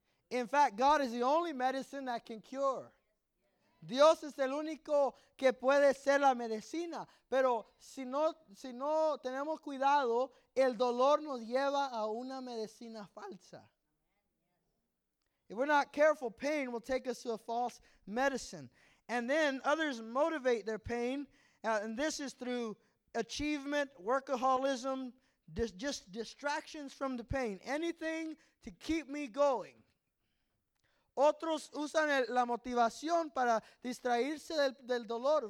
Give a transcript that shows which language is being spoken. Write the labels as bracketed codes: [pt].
[en] In fact, God is the only medicine that can cure. [es] Dios es el único que puede ser la medicina. Pero si no tenemos cuidado, el dolor nos lleva a una medicina falsa. [en] If we're not careful, pain will take us to a false medicine. And then others motivate their pain, and this is through achievement, workaholism, just distractions from the pain, anything to keep me going. [es] Otros usan la motivación para distraerse del dolor.